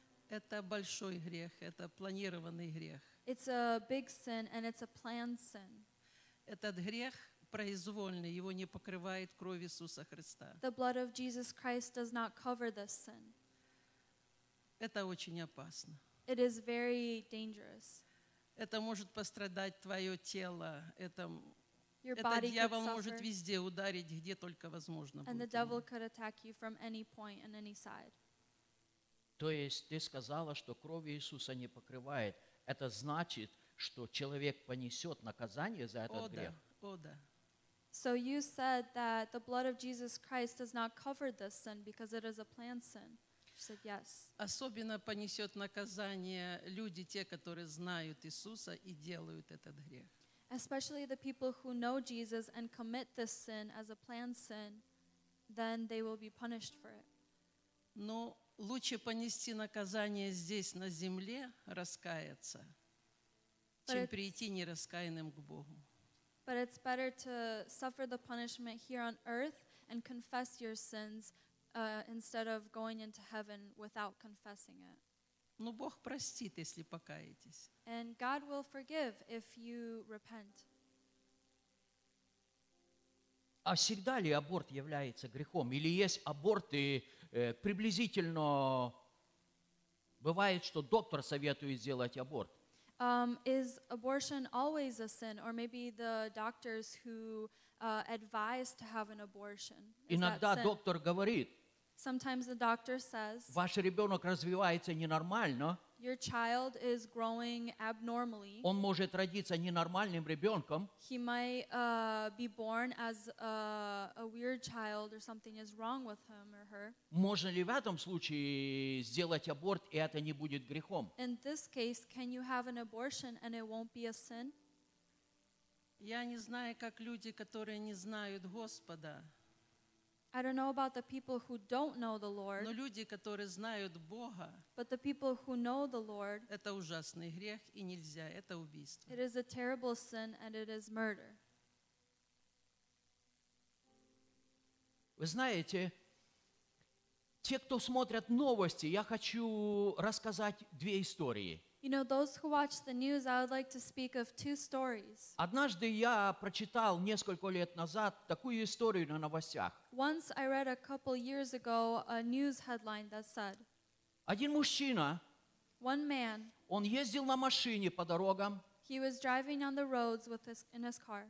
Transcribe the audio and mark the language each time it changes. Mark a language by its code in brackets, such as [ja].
[ru] это большой грех, это планированный грех. [en] It's a big sin and it's a planned sin. [ru] Этот грех произвольный, его не покрывает кровь Иисуса Христа. [en] The blood of Jesus Christ does not cover this sin. [ru] Это очень опасно. [en] It is very dangerous. [ru] Это может пострадать твое тело. Этот дьявол может везде ударить, где только возможно. [en] And the devil could attack you from any point and any side. [ru] То есть ты сказала, что кровь Иисуса не покрывает. Это значит, что человек понесет наказание за этот грех? О, да. [en] So you said that the blood of Jesus Christ does not cover this sin because it is a planned sin. Said yes. [ru] Особенно понесет наказание люди, те, которые знают Иисуса и делают этот грех. [en] Especially the people who know Jesus and commit this sin as a planned sin, then they will be punished for it. [ru] Но лучше понести наказание здесь, на земле, раскаяться, чем прийти нераскаянным к Богу. [en] But it's better to suffer the punishment here on earth and confess your sins instead of going into heaven without confessing it. [ru] Но Бог простит, если покаетесь. [en] And God will forgive if you repent. [ru] А всегда ли аборт является грехом? Или есть аборты приблизительно... Бывает, что доктор советует сделать аборт. [en] Is abortion always a sin? Or maybe the doctors who advise to have an abortion, is that sin? [ru] Иногда доктор говорит... [en] Sometimes the doctor says, [ru] ваш ребенок развивается ненормально. [en] Your child is growing abnormally. [ru] Он может родиться ненормальным ребенком. [en] He might be born as a weird child or something is wrong with him or her. [ru] Можно ли в этом случае сделать аборт, и это не будет грехом? [en] In this case, can you have an abortion and it won't be a sin? [ru] Я не знаю, как люди, которые не знают Господа, [en] I don't know about the people who don't know the Lord. [ru] Но люди, которые знают Бога, [en] but the people who know the Lord, [ru] это ужасный грех и нельзя, это убийство. [en] It is a terrible sin and it is murder. [ru] Вы знаете, те, кто смотрят новости, я хочу рассказать две истории. [en] You know, those who watch the news, I would like to speak of two stories. [ru] Однажды я прочитал несколько лет назад такую историю на новостях. [en] Once I read a couple years ago a news headline that said, [ru] один мужчина, [en] one man, [ru] он ездил на машине по дорогам, [en] he was driving on the roads with his, in his car.